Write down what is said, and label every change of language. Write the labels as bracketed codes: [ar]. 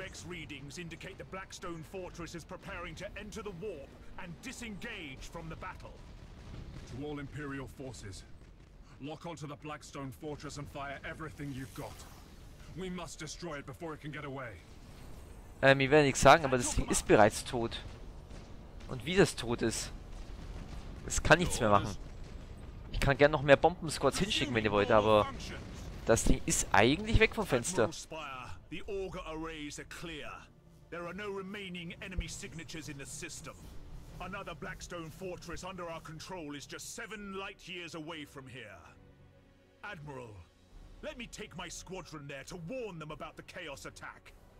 [en] Readings indicate the Blackstone Fortress is preparing to enter the warp and disengage from the battle. To all Imperial forces, lock onto the Blackstone Fortress and fire everything you've got. We must destroy it before it can get away. [de] Ich werde nichts sagen, aber das Ding ist bereits tot. Und wie das tot ist, es kann nichts mehr machen. Ich kann gerne noch mehr Bomben-Squads hinschicken, wenn ihr wollt, aber das Ding ist eigentlich weg vom Fenster. [en] The auger arrays are clear. There are no remaining enemy signatures in the system. Another Blackstone fortress under our control is just 7 light years away from here. Admiral, let me take my squadron there to warn them about the chaos attack.